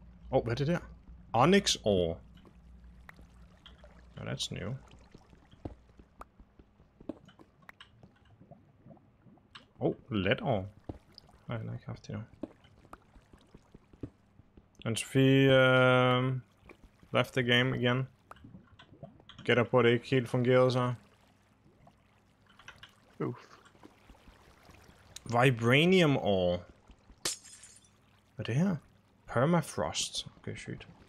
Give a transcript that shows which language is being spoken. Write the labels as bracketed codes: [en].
[da] Oh, hvad er det der? Onyx ore. [en] Oh, that's new. Oh, let ore. [da] Nej, den har jeg ikke haft det nu. [en] And Sophie left the game again. [da] Gætter på, at det ikke helt fungerede så. Oof. Vibranium ore. Hvad er det her? [en] Permafrost. Okay, shoot.